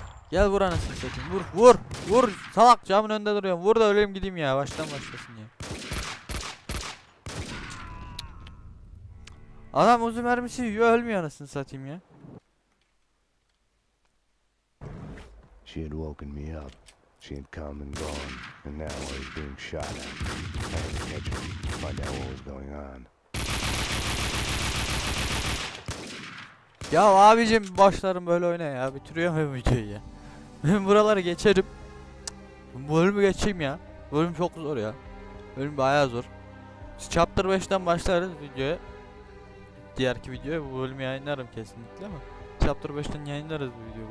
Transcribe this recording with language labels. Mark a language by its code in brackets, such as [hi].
[tr] Gel vur anasını satayım. Vur vur vur. Salak camın önünde duruyorum. Vur da öleyim gideyim ya. Baştan başlasın ya. Adam uzun mermisi yiyor, ölmüyor anasını satayım ya. [en] She had woken me up. She had come and gone, and now I was being shot at. I had to catch her, find out what was going on. [tr] Ya abicim başlarım böyle oynaya ya, bitiriyor muyum videoyu ya? Ben buraları geçerim. Bölümü geçeyim ya. Bölüm çok zor ya. Bölüm bayağı zor. Chapter 5'ten başlarız videoya. Diğerki videoya bu bölümü yayınlarım kesinlikle ama Chapter 5'ten yayınlarız bu videoyu.